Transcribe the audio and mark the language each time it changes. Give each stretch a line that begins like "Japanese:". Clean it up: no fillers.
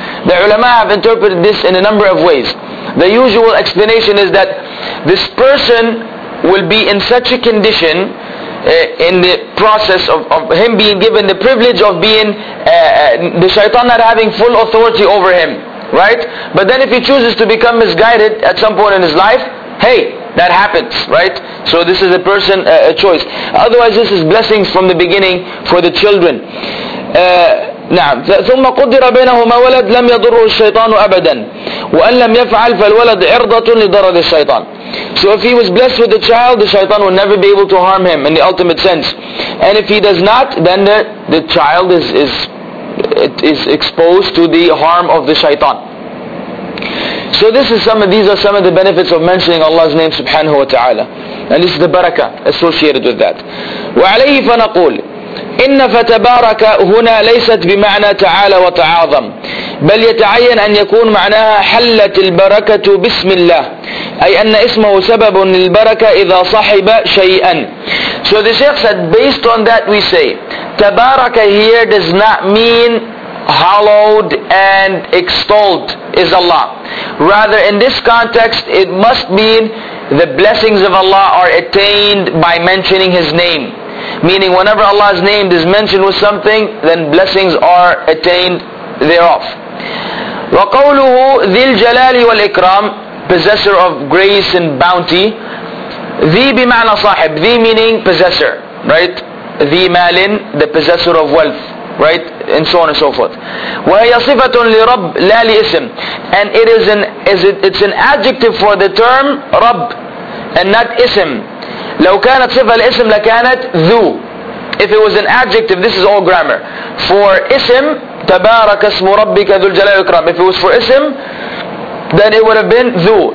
English: The ulama have interpreted this in a number of ways. The usual explanation is that this person will be in such a condition in the process of him being given the privilege of being the shaitan not having full authority over him, right? But then if he chooses to become misguided at some point in his life, hey, that happens, right? So this is a person, a choice. Otherwise this is blessings from the beginning for the children.
Arabic: نعم ثم قدر بينهما ولد لم يضره الشيطان أبدا وأن لم يفعل فالولد عرضة لضرر الشيطان.
English: So if he was blessed with a child, the shaitan will never be able to harm him in the ultimate sense. And if he does not, then the child is exposed to the harm of the shaitan. So these are some of the benefits of mentioning Allah's name subhanahu wa ta'ala. And this is the barakah associated with that.
Arabic: وعليه فنقول إن فتبارك هنا ليست بمعنى تعالى وتعاظم بل يتعين أن يكون معناها حلت البركة باسم الله أي أن اسمه سبب للبركة إذا صاحب شيئا.
English: So the Sheikh said, based on that we say تبارك here does not mean hallowed and extolled is Allah. Rather, in this context it must mean the blessings of Allah are attained by mentioning His name. Meaning whenever Allah's name is mentioned with something, then blessings are attained thereof. وَقَوْلُهُ ذِي الْجَلَالِ وَالْإِكْرَامِ Possessor of grace and bounty.
Arabic: ذِي بِمَعْنَى صَاحِب ذِي meaning possessor, right?
English: ذِي مَالٍ the possessor of wealth, right? And so on and so forth. وَهَيَ صِفَةٌ لِرَبْ لَا لِإِسْمٍ And it's an adjective for the term رَبْ and not ism.
Arabic: لو كانت صفة الاسم لكانت ذو.
English: If it was an adjective, this is all grammar.
Arabic: For ism, تبارك اسم ربك ذو الجلال والإكرام.
English: If it was for ism, then it would have been ذو.